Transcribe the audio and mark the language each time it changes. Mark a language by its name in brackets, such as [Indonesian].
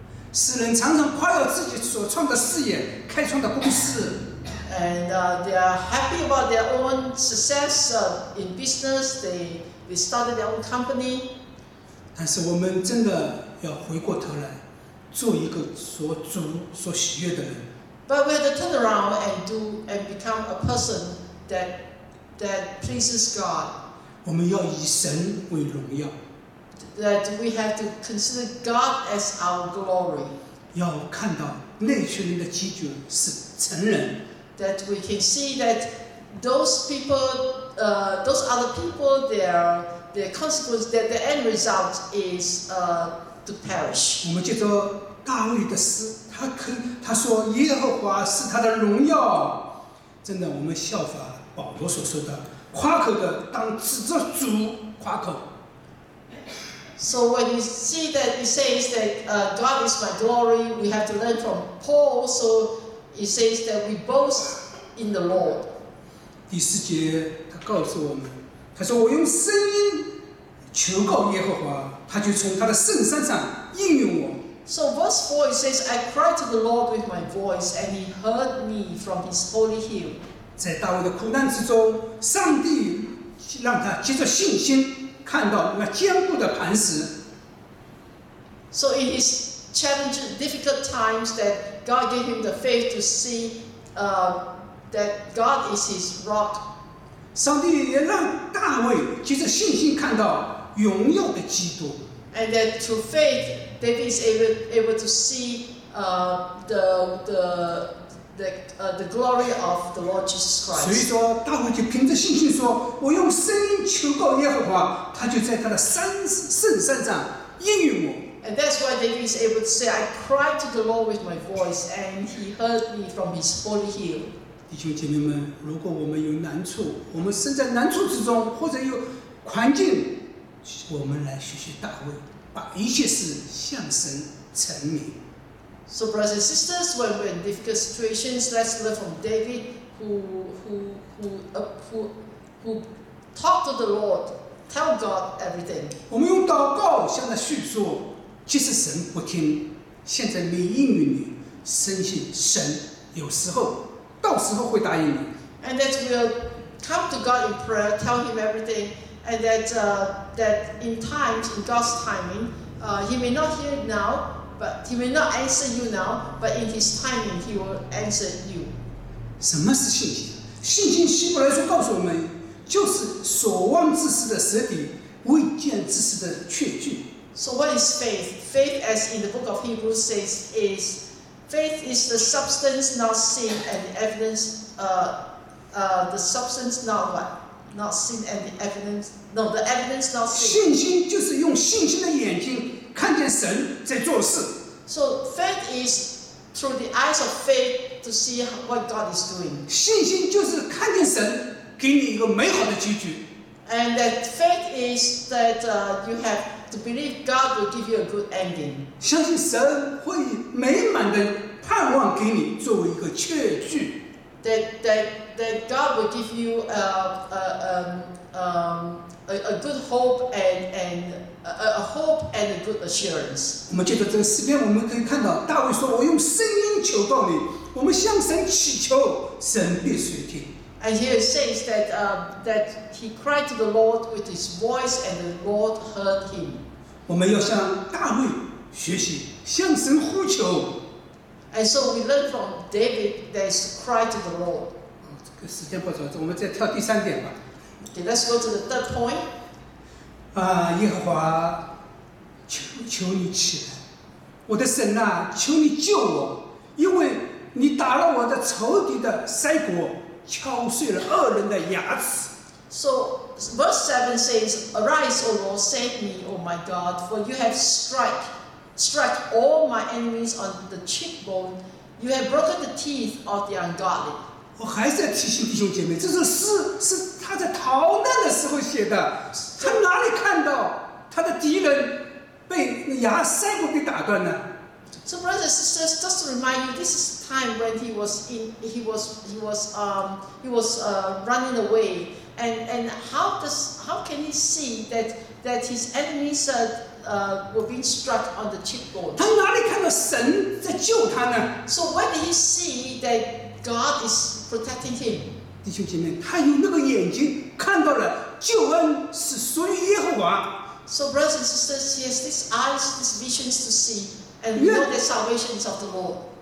[Chinese] 世人常常夸耀自己所创的事业、开创的公司。 [English] And they are happy about their own success in business. They started their own company. [Chinese] 但是我们真的要回过头来。做一个所主所喜悦的人。 [English] But we have to turn around and become a person that pleases God. [Chinese] 我们要以神为荣耀。 [English] That we have to consider God as our glory. [Chinese] 要看到那群人的基督是成人。 [English] That we can see that those other people, their consequence, that the end result is to perish. [Chinese] 我们接着大卫的诗，他说耶和华是他的荣耀。真的，我们效法保罗所说的，夸口的当指着主夸口。 [English] So when you see that he says that God is my glory, we have to learn from Paul. So he says that we boast in the Lord. [Chinese] 第四节，他告诉我们，他说我用声音求告耶和华，他就从他的圣山上应允我。 [English] So verse 4 it says, I cried to the Lord with my voice, and he heard me from his holy hill. [Chinese] 在大卫的苦难之中，上帝让他藉着信心看到那坚固的磐石。 [English] So in his challenging, difficult times that God gave him the faith to see that God is his rock. [Chinese] 上帝也让大卫藉着信心看到荣耀的基督。 [English] And that through faith, David is able to see the glory of the Lord Jesus Christ. [Chinese] 所以说，大卫就凭着信心说：“我用声音求告耶和华，他就在他的圣山上应允我。” [English] And that's why David is able to say, "I cried to the Lord with my voice, and He heard me from His holy hill." [Chinese] 弟兄姐妹们，如果我们有难处，我们身在难处之中，或者有环境。我们来学习大卫，把一切事向神陈明。 [English] So brothers and sisters, when we're in difficult situations, let's learn from David, who talked to the Lord. Tell God everything. [Chinese] 我们用祷告向他叙述，即使神不听，现在你应允你，深信神有时候，到时候会答应你。 [English] And that we'll come to God in prayer, tell Him everything, and that in times, in God's timing, He may not hear it now, but He may not answer you now, but in His timing, He will answer you. [Chinese] 什么是信心？信心希伯来书告诉我们，就是所望之事的实底，未见之事的确据。 [English] So what is faith? Faith, as in the book of Hebrews says, is faith is the substance not seen and the evidence. The substance not what? Not seen and the evidence. No, the evidence not seen. [Chinese] 信心就是用信心的眼睛看见神在做事。 [English] So faith is through the eyes of faith to see what God is doing. [Chinese] 信心就是看见神给你一个美好的结局。 [English] And that faith is that you have. To believe God will give you a good ending. [Chinese] 相信神会美满的盼望给你作为一个确据。 [English] That God will give you a good hope and a hope and a good assurance. [Chinese] 我们借着这个诗篇，我们可以看到大卫说：“我用声音求告你。” 我们向神祈求，神必垂听。 [English] And here it says that he cried to the Lord with his voice, and the Lord heard him. [Chinese] 我们要向大卫学习，向神呼求。 [English] And so we learn from David that he cried to the Lord. [Chinese] 这个时间不早，我们再跳第三点吧。 [English] Okay, let's go to the third point. [Chinese] 耶和华，求你起来，我的神啊，求你救我，因为你打了我的仇敌的腮骨。敲碎了恶人的牙齿。 [English] So verse 7 says, Arise, O Lord, save me, O my God, for you have struck all my enemies on the cheekbone. You have broken the teeth of the ungodly. [Chinese] 我还是要提醒弟兄姐妹，这首诗是他在逃难的时候写的。他哪里看到他的敌人被牙腮骨给打断呢？ [English] So brothers and sisters, just to remind you, this is the time when he was running away, and how can he see that his enemies were being struck on the cheekbone? [Chinese] 他哪里看到神在救他呢？ [English] So when did he see that God is protecting him? [Chinese] 弟兄姐妹，他用那个眼睛看到了救恩是属于耶和华。 [English] So brothers and sisters, he has these eyes, these visions to see. And we know that salvation is of the Lord.